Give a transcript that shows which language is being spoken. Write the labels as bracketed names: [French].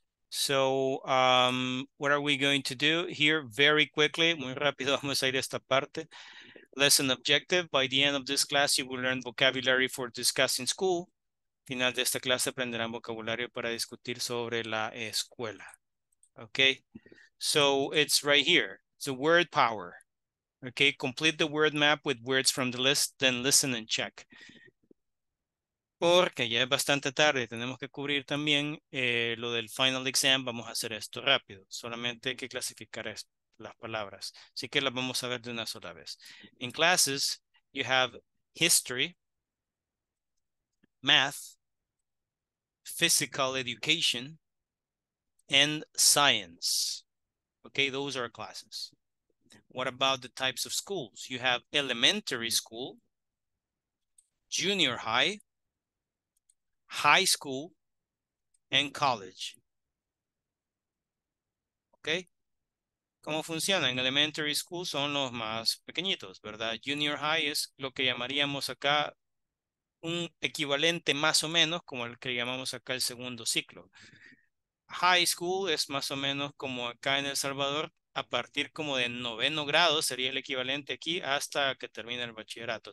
[English] So, what are we going to do here? Very quickly, [Spanish] muy rápido vamos a ir a esta parte. [English] Lesson objective, by the end of this class, you will learn vocabulary for discussing school. [Spanish] Final de esta clase, aprenderán vocabulario para discutir sobre la escuela. [English] Okay, so it's right here. It's a word power. Okay, complete the word map with words from the list, then listen and check. [Spanish] Porque ya es bastante tarde, tenemos que cubrir también lo del final exam. Vamos a hacer esto rápido, solamente hay que clasificar las palabras, así que las vamos a ver de una sola vez. [English] In classes, you have history, math, physical education, and science. Okay, those are classes. What about the types of schools? You have elementary school, junior high, high school, and college. [Spanish] Okay? ¿Cómo funciona? En elementary school son los más pequeñitos, ¿verdad? Junior high es lo que llamaríamos acá un equivalente más o menos como el que llamamos acá el segundo ciclo. High school es más o menos como acá en El Salvador, a partir como de noveno grado sería el equivalente aquí hasta que termine el bachillerato.